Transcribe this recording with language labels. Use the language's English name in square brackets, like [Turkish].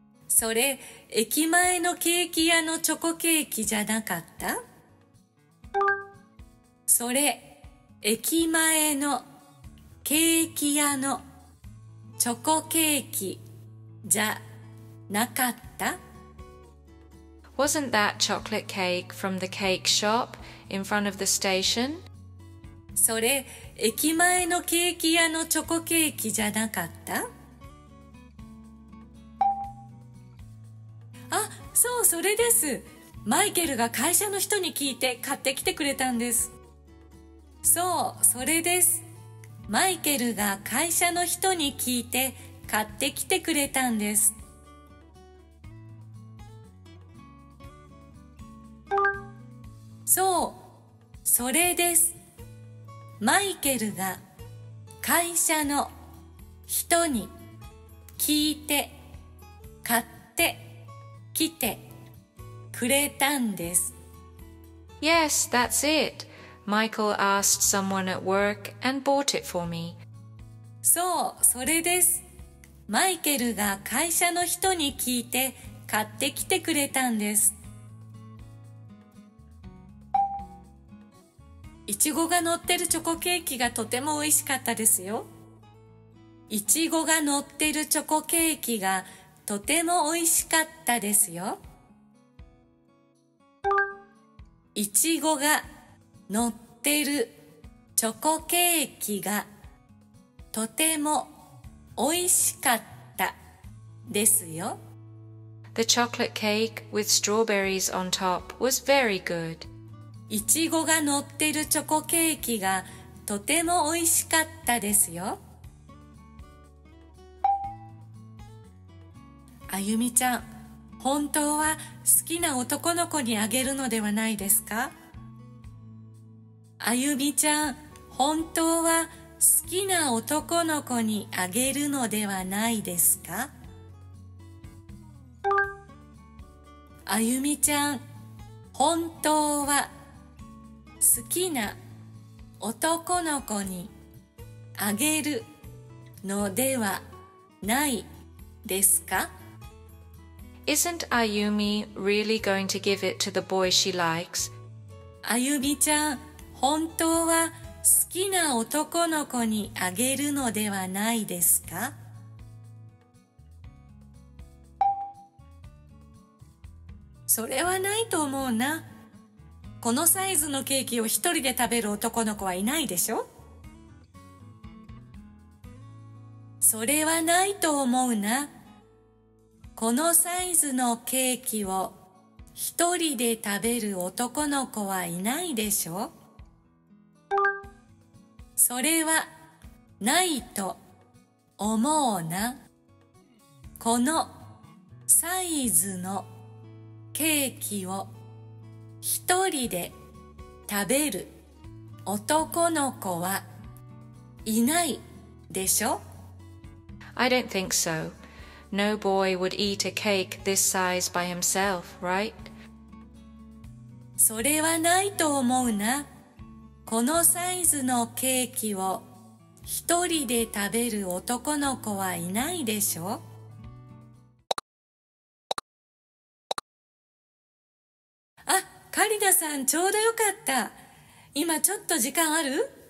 [Japanese] それ、駅前のケーキ屋のチョコケーキじゃなかった？それ、駅前のケーキ屋のチョコケーキじゃなかった？ Wasn't that chocolate cake from the cake shop in front of the station? それ、駅前のケーキ屋のチョコケーキじゃなかった？あ、そう、それです。マイケルが会社の人に聞いて買ってきてくれたんです。そう、それです。マイケルが会社の人に聞いて買ってきてくれたんです。そう、それです。マイケルが会社の人に聞いて買ってきてくれたんです。 [English] Yes, that's it. Michael asked someone at work and bought it for me. [Japanese] そう、それです。マイケルが会社の人に聞いて買ってきてくれたんです。いちごが乗ってるチョコケーキがとても美味しかったですよ。いちごが乗ってるチョコケーキがとても美味しかったですよ。いちごが乗ってるチョコケーキがとても美味しかったですよ。 [English] The chocolate cake with strawberries on top was very good. [Japanese] いちごが乗ってるチョコケーキがとても美味しかったですよ。あゆみちゃん、本当は好きな男の子にあげるのではないですか？あゆみちゃん、本当は好きな男の子にあげるのではないですか？あゆみちゃん、本当は好きな男の子にあげるのではないですか? [English] Isn't Ayumi really going to give it to the boy she likes? [Japanese] Ayumi ちゃん、本当は好きな男の子にあげるのではないですか? それはないと思うな。このサイズのケーキを一人で食べる男の子はいないでしょ? それはないと思うな。このサイズのケーキを一人で食べる男の子はいないでしょ? それはないと思うな。このサイズのケーキを一人で食べる男の子はいないでしょ? [English] I don't think so. No boy would eat a cake this size by himself, right? [Japanese] それはないと思うな。このサイズのケーキを一人で食べる男の子はいないでしょ? カリナさん、ちょうどよかった。今ちょっと時間ある?